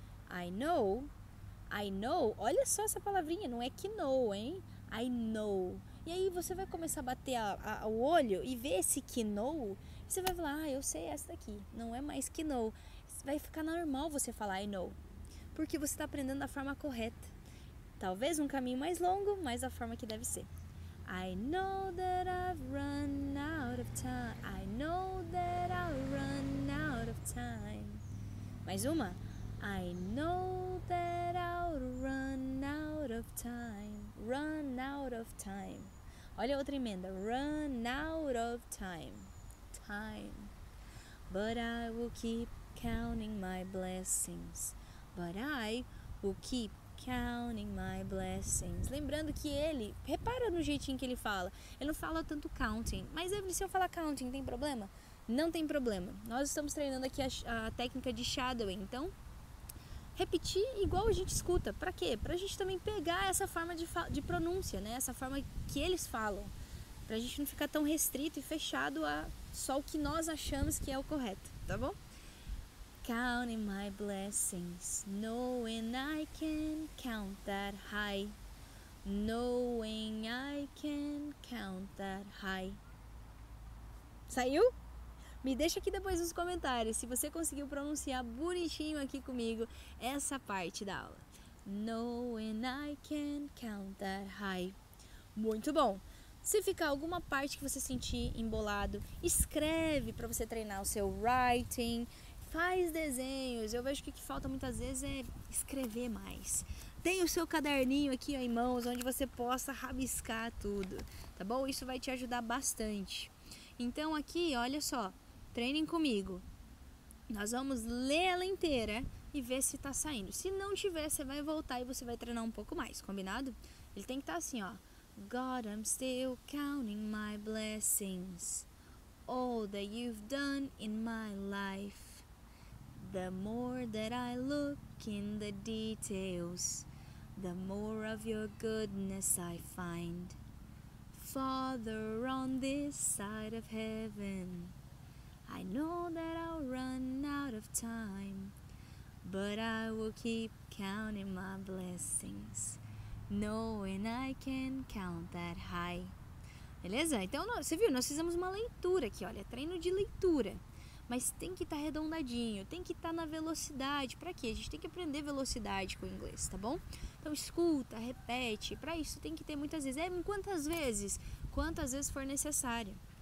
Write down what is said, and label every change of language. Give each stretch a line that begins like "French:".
English: I know,
Portuguese: olha só essa palavrinha, não é que know, hein? I know. E aí você vai começar a bater o olho e ver esse que know, e você vai falar, ah, eu sei essa daqui, não é mais que know. Vai ficar normal você falar I know, porque você está aprendendo da forma correta. Talvez um caminho mais longo, mas a forma que deve ser.
English: I know that I've run out of time. I know that I'll run out of time.
Portuguese: Mais uma.
English: I know that I'll run out of time. Run out of time.
Portuguese: Olha a outra emenda.
English: Run out of time. Time. But I will keep counting my blessings. But I will keep counting my blessings.
Portuguese: Lembrando que ele, repara no jeitinho que ele fala. Ele não fala tanto counting. Mas se eu falar counting, tem problema? Não tem problema. Nós estamos treinando aqui a técnica de shadowing. Então, repetir igual a gente escuta. Pra quê? Pra gente também pegar essa forma de pronúncia, né? Essa forma que eles falam. Pra gente não ficar tão restrito e fechado a só o que nós achamos que é o correto. Tá bom?
English: Counting my blessings, knowing I can count that high. Knowing I can count that high.
Portuguese: Saiu? Me deixa aqui depois nos comentários se você conseguiu pronunciar bonitinho aqui comigo essa parte da aula.
English: Knowing I can count that high.
Portuguese: Muito bom! Se ficar alguma parte que você sentir embolado, escreve para você treinar o seu writing. Faz desenhos. Eu vejo que o que falta muitas vezes é escrever mais. Tem o seu caderninho aqui em mãos, onde você possa rabiscar tudo, tá bom? Isso vai te ajudar bastante. Então aqui, olha só, treinem comigo. Nós vamos ler ela inteira e ver se tá saindo. Se não tiver, você vai voltar e você vai treinar um pouco mais, combinado? Ele tem que estar assim, ó.
English: God, I'm still counting my blessings. All that you've done in my life. The more that I look in the details, the more of your goodness I find. Father, on this side of heaven, I know that I'll run out of time, but I will keep counting my blessings, knowing I can count that high.
Portuguese: Beleza? Então, você viu, nós fizemos uma leitura aqui, olha, treino de leitura. Mas tem que estar arredondadinho, tem que estar na velocidade. Para quê? A gente tem que aprender velocidade com o inglês, tá bom? Então escuta, repete. Para isso tem que ter muitas vezes. Quantas vezes? Quantas vezes for necessário.